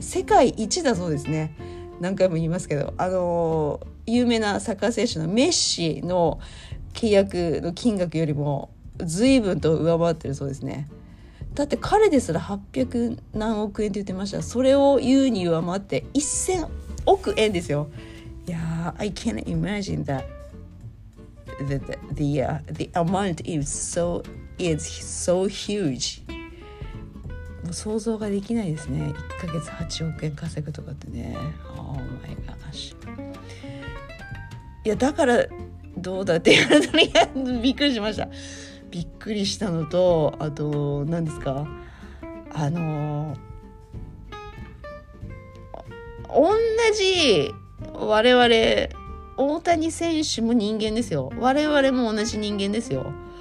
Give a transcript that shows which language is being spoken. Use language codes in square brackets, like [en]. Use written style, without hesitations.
[ja] 世界一だそうですね、何回も言いますけど、有名なサッカー選手のメッシの契約の金額よりも随分と上回ってるそうですね。だって彼ですら800何億円って言ってました。それを言うに上回って1000億円ですよ。 [en] いやー、 I can't imagine that the amount is so huge。 [ja] もう想像ができないですね。1ヶ月8億円稼ぐとかってね、 [en] Oh my gosh。 [ja] いやだからどうだって言われたらびっくりしました。びっくりしたのと、あと何ですか、同じ我々大谷選手も人間ですよ、我々も同じ人間ですよ。